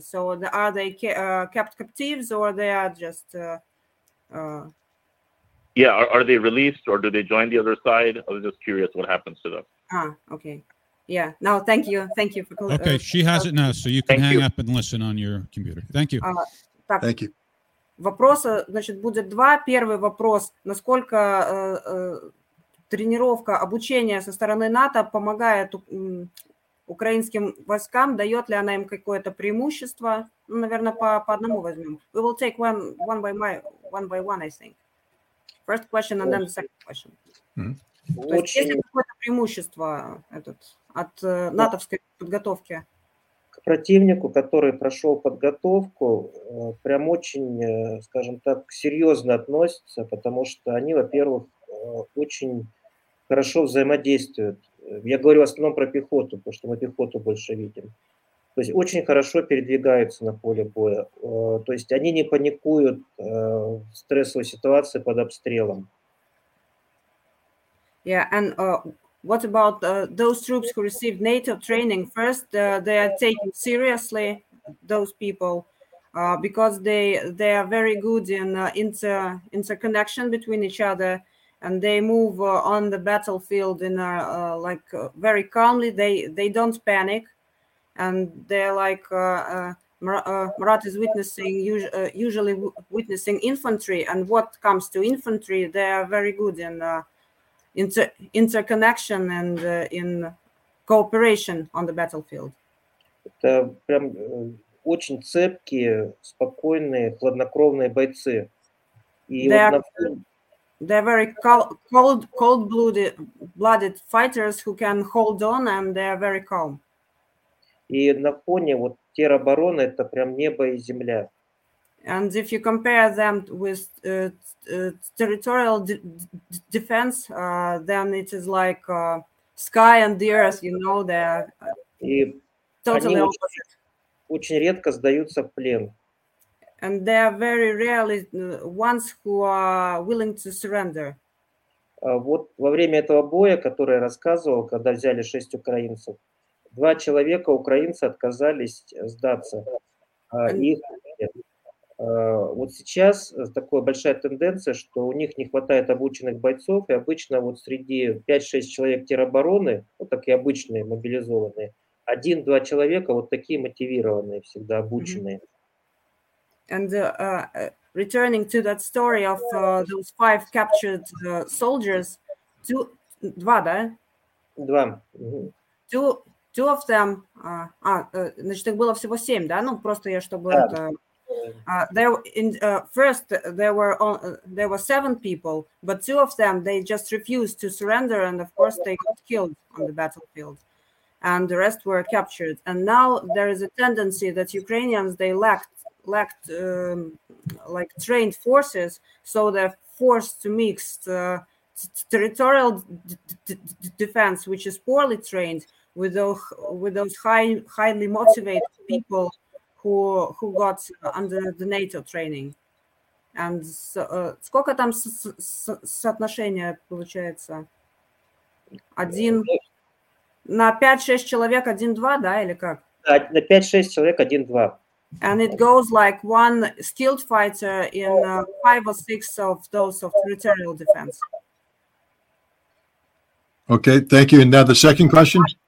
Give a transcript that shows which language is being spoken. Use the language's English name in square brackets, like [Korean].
[English] So are they kept captives, or they are just... Yeah, are they released, or do they join the other side? I was just curious what happens to them. Okay. Yeah. No, thank you. Thank you. Okay, she has it now, so you can hang up and listen on your computer. Thank you. Thank you. [Russian] Вопроса, значит, будет два. Первый вопрос. Насколько тренировка, обучение со стороны НАТО помогает украинским войскам? Дает ли она им какое-то преимущество? Ну, наверное, по одному возьмем. [English] We will take one by one, I think. First question, and then the second question. Mm-hmm. [Russian] То есть, есть ли какое-то преимущество от натовской подготовки? К противнику, который прошел подготовку, прям очень, скажем так, серьезно относится, потому что они, во-первых, очень хорошо взаимодействуют. Я говорю в основном про пехоту, потому что мы пехоту больше видим. То есть очень хорошо передвигаются на поле боя. То есть они не паникуют в стрессовой ситуации под обстрелом. [English] Yeah, and what about those troops who received NATO training first? They are taken seriously, those people, because they are very good in interconnection between each other, and they move on the battlefield in very calmly. They don't panic. And they're Murat is usually witnessing infantry, and what comes to infantry, they are very good in interconnection and in cooperation on the battlefield. [Russian] Это прям очень цепкие, спокойные, хладнокровные бойцы. [English] They're very cold-blooded fighters who can hold on, and they are very calm. [Russian] И на фоне вот теробороны это прям небо и земля. [English] And if you compare them with territorial defense, then it is like sky and the earth, you know, they're totally opposite. [Russian] Очень редко сдаются в плен. [English] And they are very rarely ones who are willing to surrender. [Russian] Вот во время этого боя, который я рассказывал, когда взяли 6 украинцев, два человека, украинцы, отказались сдаться. Вот сейчас такая большая тенденция, что у них не хватает обученных бойцов, и обычно вот среди 5-6 человек теробороны, вот такие обычные, мобилизованные, 1-2 человека вот такие мотивированные, всегда обученные. [English] And returning to that story of those 5 captured soldiers, [Russian] два, да? Два. [English] Two of them, [Russian] значит, их было всего 7, да? Ну, просто я, чтобы это... [English] There were 7 people, but 2 of them, they just refused to surrender, and of course they got killed on the battlefield, and the rest were captured. And now there is a tendency that Ukrainians, they lacked lacked like trained forces, so they're forced to mix territorial defense, which is poorly trained, with those highly motivated people who got under the NATO training. And [Russian] сколько там соотношение получается? Один на 5-6 человек 1-2, да, или как? На 5-6 человек 1-2. [English] And it goes like one skilled fighter in five or six of those of territorial defense. Okay, thank you. And now the second question?